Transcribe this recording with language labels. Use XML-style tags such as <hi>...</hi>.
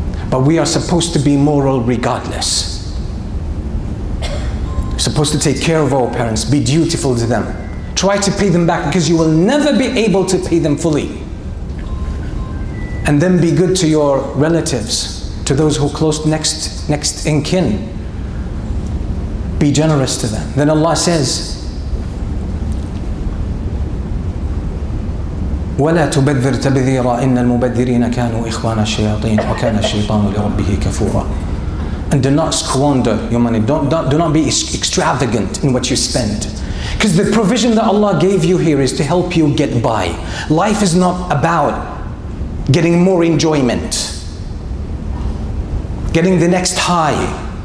<en>But we are supposed to be moral regardless. We're supposed to take care of our parents, be dutiful to them. Try to pay them back, because you will never be able to pay them fully. And then be good to your relatives, to those who are close next in kin. Be generous to them. Then Allah says,</en> <ar>وَلَا تُبَذِّرْ تَبْذِيرًا إِنَّ الْمُبَذِّرِينَ كَانُوا إِخْوَانَ الشَّيَاطِينَ وَكَانَ الشَّيْطَانُ لِرَبِّهِ كَفُورًا.</ar> <en>And do not squander your money. Do not be extravagant in what you spend. Because the provision that Allah gave you here is to help you get by. Life is not about getting more enjoyment, getting the next high.</en>